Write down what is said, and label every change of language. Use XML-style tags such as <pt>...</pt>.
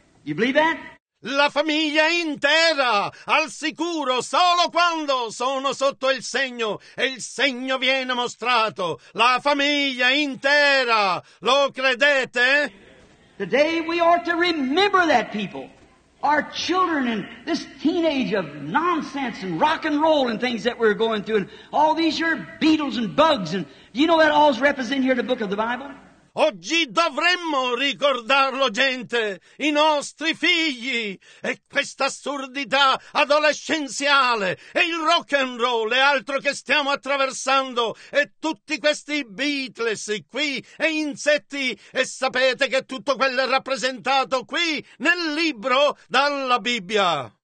<en>You believe that?</en> <it>La famiglia intera, al sicuro, solo quando sono sotto il segno e il segno viene mostrato. La famiglia intera, lo credete?</it> <en>Today we ought to remember that people. Our children and this teenage of nonsense and rock and roll and things that we're going through. And all these are beetles and bugs. And do you know that all is represented here in the book of the Bible?</en> <it>Oggi dovremmo ricordarlo, gente, i nostri figli, e questa assurdità adolescenziale, e il rock and roll, e altro che stiamo attraversando, e tutti questi Beatles qui, e insetti, e sapete che tutto quello è rappresentato qui, nel libro, dalla Bibbia.</it>